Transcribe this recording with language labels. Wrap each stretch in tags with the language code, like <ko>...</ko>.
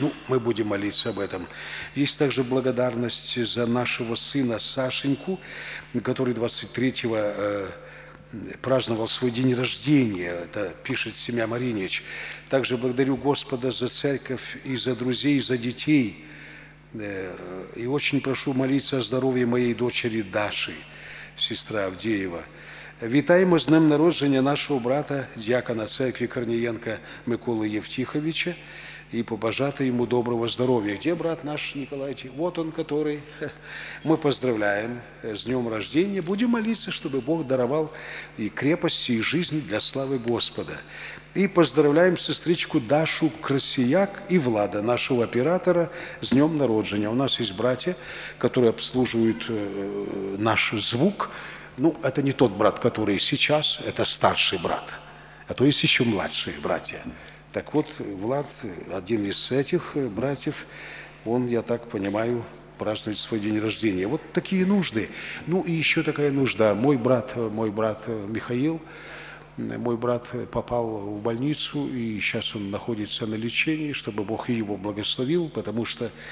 <ru>Ну, мы будем молиться об этом. Есть также благодарность за нашего сына Сашеньку, который 23-го праздновал свой день рождения. Это пишет семья Маринич. Также благодарю Господа за церковь и за друзей, и за детей. И очень прошу молиться о здоровье моей дочери Даши, сестра Авдеева.</ru> <uk>Вітаємо з днем народження нашого брата, дьякона церкви Корнієнка Миколи Євтіховича, і побажати йому доброго здоров'я. Де брат наш Николай?</uk> <ru>Вот он, который.</ru> <uk>Ми поздравляємо з днем рождения. Будемо молитися, щоб Бог дарував і крепості, і жизнь для слави Господа. І поздравляємо сестричку Дашу Красіяк і Влада, нашого оператора, з днем народження. У нас є браття, які обслуговують наш звук.</uk> <ru>Ну, это не тот брат, который сейчас, это старший брат, а то есть еще младшие братья. Так вот, Влад, один из этих братьев, он, я так понимаю, празднует свой день рождения. Вот такие нужды. Ну, и еще такая нужда. Мой брат Михаил, мой брат попал в больницу, и сейчас он находится на лечении, чтобы Бог его благословил, потому что</ru>